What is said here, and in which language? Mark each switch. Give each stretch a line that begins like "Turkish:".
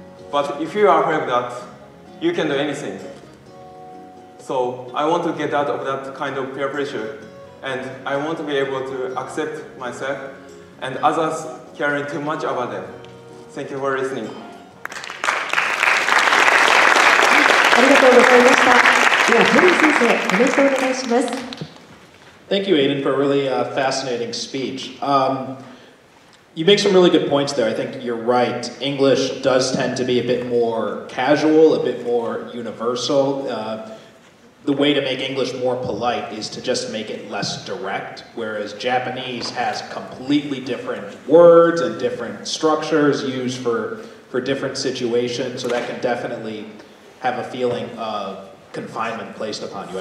English: But if you are aware of that, you can do anything. So I want to get out of that kind of peer pressure, and I want to be able to accept myself and others caring too much about them. Thank you for listening.
Japanese: ありがとうございました。では、ジェリー先生、コメントをお願いします。
English: Thank you, Aiden, for a really fascinating speech. You make some really good points there. I think you're right. English does tend to be a bit more casual, a bit more universal. The way to make English more polite is to just make it less direct, whereas Japanese has completely different words and different structures used for different situations, so that can definitely have a feeling of confinement placed upon you.